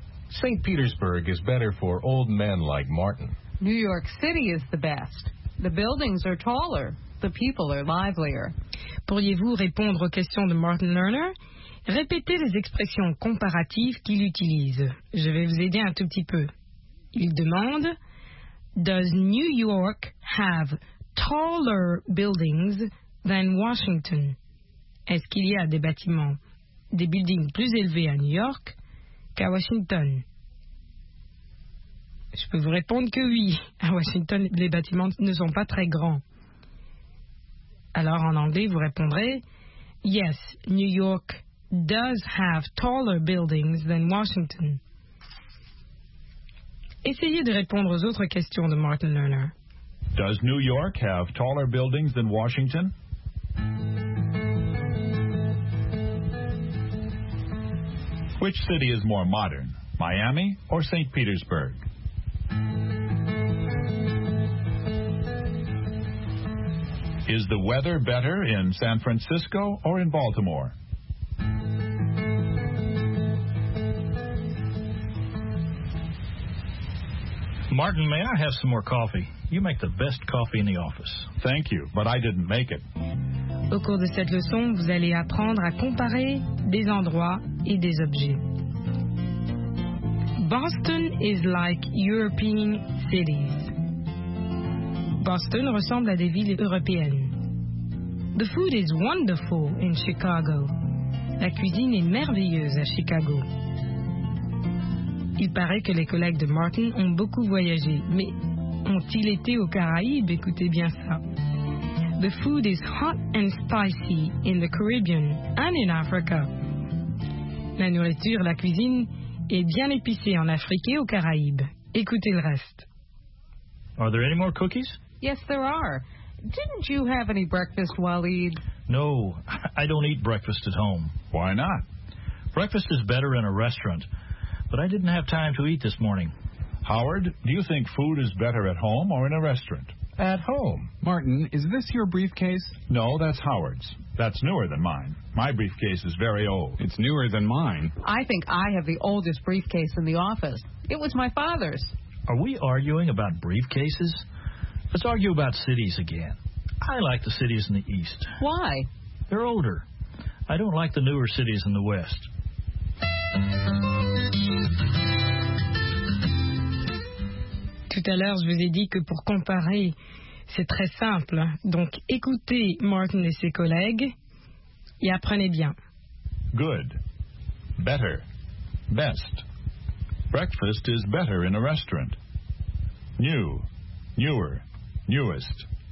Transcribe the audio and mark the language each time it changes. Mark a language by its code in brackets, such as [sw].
[en] St. Petersburg is better for old men like Martin. New York City is the best. The buildings are taller. The people are livelier. [fr] Pourriez-vous répondre aux questions de Martin Lerner? Répétez les expressions comparatives qu'il utilise. Je vais vous aider un tout petit peu. Il demande, [en] Does New York have taller buildings than Washington? [fr] Est-ce qu'il y a des bâtiments, des buildings plus élevés à New York qu'à Washington? Je peux vous répondre que oui. À Washington, les bâtiments ne sont pas très grands. Alors en anglais, vous répondrez, [en] Yes, New York does have taller buildings than Washington. [fr] Essayez de répondre aux autres questions de Martin Lerner. [en] Does New York have taller buildings than Washington? Which city is more modern, Miami or St. Petersburg? Is the weather better in San Francisco or in Baltimore? Martin, may I have some more coffee? You make the best coffee in the office. Thank you, but I didn't make it. [fr] Au cours de cette leçon, vous allez apprendre à comparer des endroits et des objets. [en] Boston is like European cities. [fr] Boston ressemble à des villes européennes. [en] The food is wonderful in Chicago. [fr] La cuisine est merveilleuse à Chicago. Il paraît que les collègues de Martin ont beaucoup voyagé, mais ont-ils été aux Caraïbes? Écoutez bien ça. [en] The food is hot and spicy in the Caribbean and in Africa. [fr] La nourriture, la cuisine est bien épicée en Afrique et aux Caraïbes. Écoutez le reste. [en] Are there any more cookies? Yes, there are. Didn't you have any breakfast, Waleed? No, I don't eat breakfast at home. Why not? Breakfast is better in a restaurant, but I didn't have time to eat this morning. Howard, do you think food is better at home or in a restaurant? At home. Martin, is this your briefcase? No, that's Howard's. That's newer than mine. My briefcase is very old. It's newer than mine. I think I have the oldest briefcase in the office. It was my father's. Are we arguing about briefcases? Let's argue about cities again. I like the cities in the east. Why? They're older. I don't like the newer cities in the west. [fr] Tout à l'heure, je vous ai dit que pour comparer, c'est très simple. Donc, écoutez Martin et ses collègues et apprenez bien. [en] Good. Better. Best. Breakfast is better in a restaurant. New. Newer. Newest.